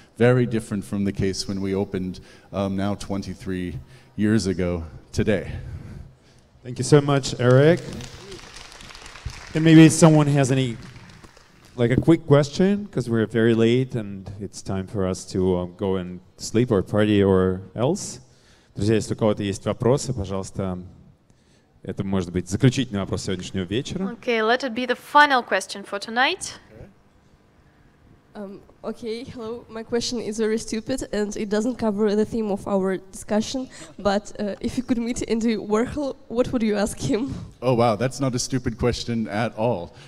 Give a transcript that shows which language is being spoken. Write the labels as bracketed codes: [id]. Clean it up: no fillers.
[en] Very different from the case when we opened now 23 years ago today. Thank you so much, Eric. And maybe someone has any, like a quick question, because we're very late and it's time for us to go and sleep or party or else. [ru] Друзья, если у кого-то есть вопросы, пожалуйста, это может быть заключительный вопрос сегодняшнего вечера. [en] Okay, let it be the final question for tonight. Okay, hello. My question is very stupid and it doesn't cover the theme of our discussion, but if you could meet Andy Warhol, what would you ask him? Oh, wow, that's not a stupid question at all.